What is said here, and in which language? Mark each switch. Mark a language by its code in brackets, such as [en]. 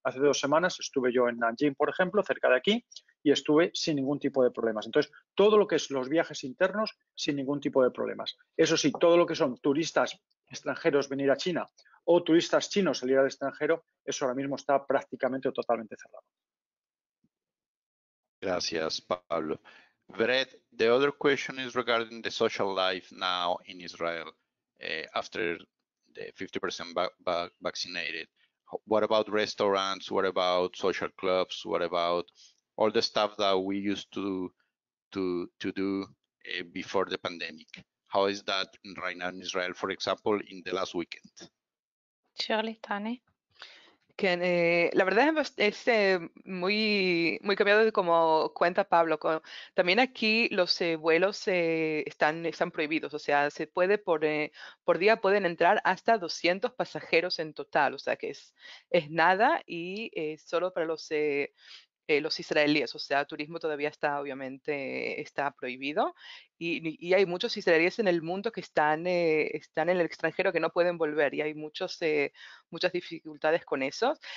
[es] Hace 2 semanas estuve yo en Nanjing, por ejemplo, cerca de aquí, y estuve sin ningún tipo de problemas. Entonces, todo lo que es los viajes internos, sin ningún tipo de problemas. Eso sí, todo lo que son turistas extranjeros venir a China o turistas chinos salir al extranjero, eso ahora mismo está prácticamente totalmente cerrado. Ok, Gracias, Pablo. [en] Brett, the other question is regarding the social life now in Israel after the 50% vaccinated. What about restaurants? What about social clubs? What about all the stuff that we used to do before the pandemic? How is that right now in Israel, for example, in the last weekend? Shirley, Tani. [es] Que la verdad es muy, muy cambiado de como cuenta Pablo. También aquí los vuelos están prohibidos, o sea, se puede por día pueden entrar hasta 200 pasajeros en total, o sea que es nada y solo para los israelíes, o sea, turismo todavía está obviamente está prohibido y hay muchos israelíes en el mundo que están en el extranjero que no pueden volver y hay muchas dificultades con eso.